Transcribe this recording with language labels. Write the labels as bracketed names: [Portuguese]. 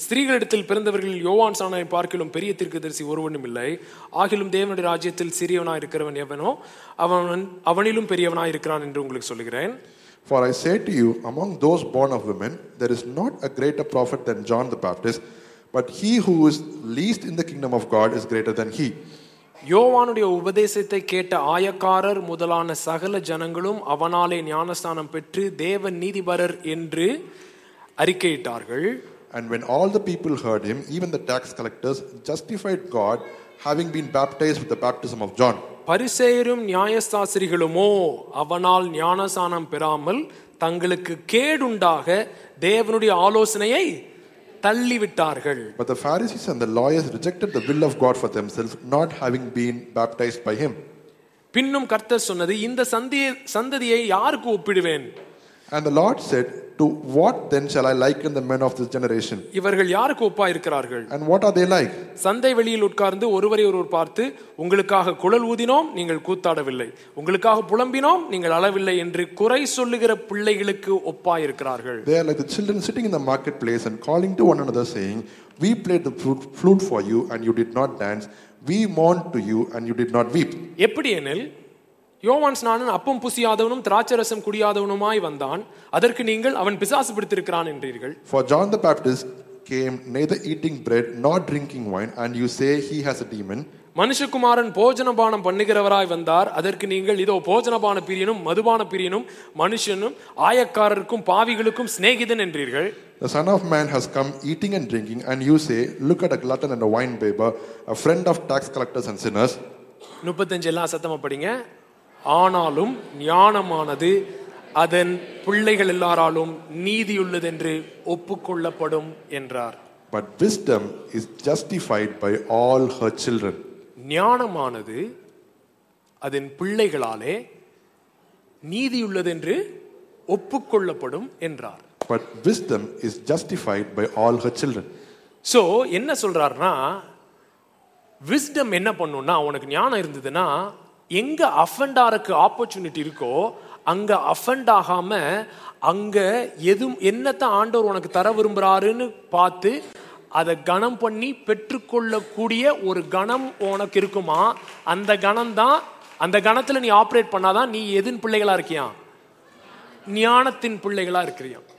[Tamil] ஸ்திரீகளிடத்தில் பிறந்தவர்கள் யோவான் சானை பார்க்கலும் பெரிய தீர்க்கதரிசி ஒருவனும் இல்லை. ஆகிலும் தேவனுடைய ராஜ்யத்தில் சிறியவனாய் இருக்கிறவன் எவனோ அவனிலும் பெரியவனாய் இருக்கிறான் என்று உங்களுக்கு சொல்கிறேன். [English] For I say to you, among those born of women, there is not a greater prophet than John the Baptist, but he who is least in the kingdom of God is greater than he. [Tamil] யோவானுடைய உபதேசத்தை கேட்ட ஆயக்காரர் முதலான சகல ஜனங்களும் அவனாலே ஞானஸ்தானம் பெற்று தேவன் நீதிபரர் என்று அறிக்கையிட்டார்கள். [English] And when all the people heard him, even the tax collectors justified God, having been baptized with the baptism of John. [Tamil] பரிசேயரும் நியாயஸ்தாசிரிகளுமோ அவனால் ஞானஸ்தானம் பெறாமல் தங்களுக்கு கேடுண்டாக தேவனுடைய ஆலோசனையை தள்ளிவிட்டார்கள். [English] But the Pharisees and the lawyers rejected the will of God for themselves, not having been baptized by him. [Tamil] பின்னும் கர்த்தர் சொன்னது, இந்த சந்ததியை யாருக்கு ஒப்பிடுவேன்? [English] And the Lord said, to what then shall I liken the men of this generation? [Tamil] இவர்கள் யாருக்கு ஒப்பாய் இருக்கிறார்கள்? [English] And what are they like? [Tamil] சந்தை வெளியில் உட்கார்ந்து ஒருவரை ஒருவர் பார்த்து, உங்களுக்காக குழல் ஊதினோம், நீங்கள் கூத்தாடவில்லை, உங்களுக்காக புலம்பினோம், நீங்கள் அழவில்லை என்று குறை சொல்லுகிற பிள்ளைகளுக்கு ஒப்பாய் இருக்கிறார்கள். [English] They are like the children sitting in the marketplace and calling to one another saying, we played the flute for you and you did not dance, we mourned to you and you did not weep. [Tamil] எப்படி எனில் யோவான் ஸ்நானன் அப்பம் புசியாதவனும் திராட்சை ரசம் குடியாதவனுமாய் வந்தான், அதற்கு நீங்கள் அவன் பிசாசு பிடித்திருக்கிறான் என்றீர்கள். [English] For John the Baptist came neither eating bread nor drinking wine, and you say he has a demon. [Tamil] மனுஷகுமாரன் போஜனபானம் பண்ணுகிறவராய் வந்தார், அதற்கு நீங்கள் இதோ போஜனபான பிரியனும் மதுபான பிரியனும் மனுஷனும் ஆயக்காரருக்கும் பாவிகளுக்கும் சிநேகிதன் என்றீர்கள். [English] The Son of Man has come eating and drinking, and you say, look at a glutton and a wine bibber, a friend of tax collectors and sinners. [Tamil] 35 எல்லாம் சத்தமா படிங்க. ஆனாலும் ஞானமானது அதன் பிள்ளைகள் எல்லாராலும் நீதியுள்ளது என்று ஒப்புக்கொள்ளப்படும் என்றார். [English] But wisdom is justified by all her children. [Tamil] ஞானமானது அதன் பிள்ளைகளாலே நீதியுள்ளது என்று ஒப்புக்கொள்ளப்படும் என்றார். [English] But wisdom is justified by all her children. [Tamil] So என்ன சொல்றார்னா, wisdom என்ன பண்ணும்னா, உனக்கு ஞானம் இருந்ததுன்னா எங்க அஃபண்டாருக்கு ஆப்பர்ச்சுனிட்டி இருக்கோ அங்க அஃபண்ட் ஆகாம அங்க எது என்னத்தை ஆண்டவர் உனக்கு தர விரும்புறாருன்னு பார்த்து அதை கணம் பண்ணி பெற்றுக்கொள்ளக்கூடிய ஒரு கணம் உனக்கு இருக்குமா, அந்த கணம் தான், அந்த கணத்துல நீ ஆப்ரேட் பண்ணாதான் நீ எதின் பிள்ளைகளா இருக்கியா, ஞானத்தின் பிள்ளைகளா இருக்கிறியா.